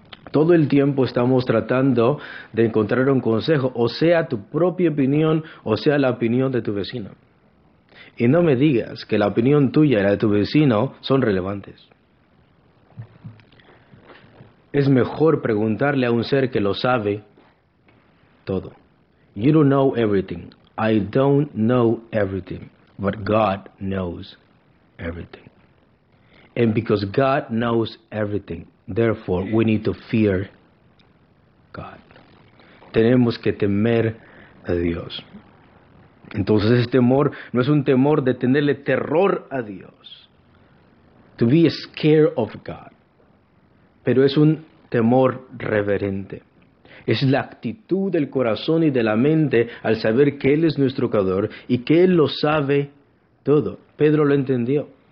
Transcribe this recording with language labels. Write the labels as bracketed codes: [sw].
[es] Todo el tiempo estamos tratando de encontrar un consejo, o sea tu propia opinión, o sea la opinión de tu vecino. Y no me digas que la opinión tuya y la de tu vecino son relevantes. Es mejor preguntarle a un ser que lo sabe todo. [en] You don't know everything. I don't know everything. But God knows everything. And because God knows everything, therefore we need to fear God. [es] Tenemos que temer a Dios. Entonces ese temor no es un temor de tenerle terror a Dios. [en] To be scared of God. [es] Pero es un temor reverente. Es la actitud del corazón y de la mente al saber que Él es nuestro Creador y que Él lo sabe todo. Pedro lo entendió.